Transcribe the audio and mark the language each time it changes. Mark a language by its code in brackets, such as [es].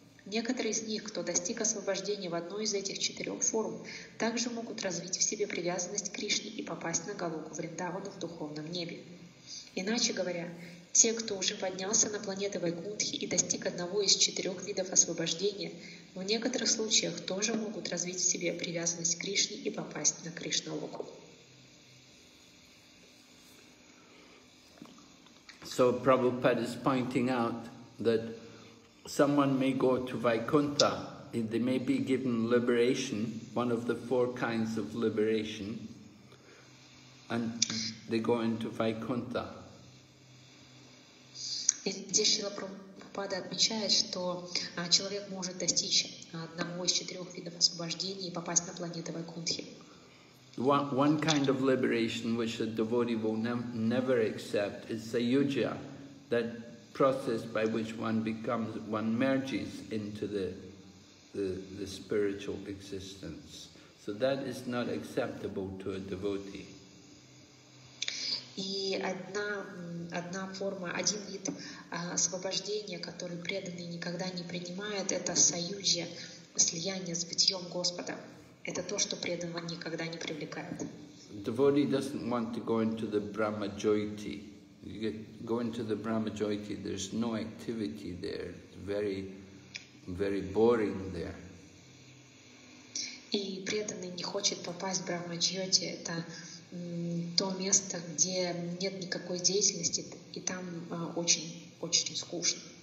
[ru] Некоторые из них, кто достиг освобождения в одной из этих 4 форм, также могут развить в себе привязанность к Кришне и попасть на Галоку Вриндавана в духовном небе. Иначе говоря, те, кто уже поднялся на планеты Вайкунтхи и достиг одного из 4 видов освобождения, в некоторых случаях тоже могут развить в себе привязанность к Кришне и попасть на Кришналоку. [en] So Prabhupada is pointing out that someone may go to Vaikuntha, they may be given liberation, one of the 4 kinds of liberation, and they go into Vaikuntha. [ru] И здесь Шрила Прабхупада отмечает, что человек может достичь одного из 4 видов освобождения и попасть на планету Вайкунтхи. [en] One kind of liberation which a devotee will never accept is sayujya, that process by which one merges into the spiritual existence. So that is not acceptable to a devotee. [ru] И одна форма, один вид освобождения, который преданный никогда не принимает, это союзе, слияние с бытием Господа. Это то, что преданного никогда не привлекает. [en] Devotee doesn't want to go into the Brahma Jyoti. You go into the Brahma Jyoti, there's no activity there. It's very, very boring there. [ru] И преданный не хочет попасть в Брахма Джьоти. Это то место, где нет никакой деятельности, и там очень-очень скучно.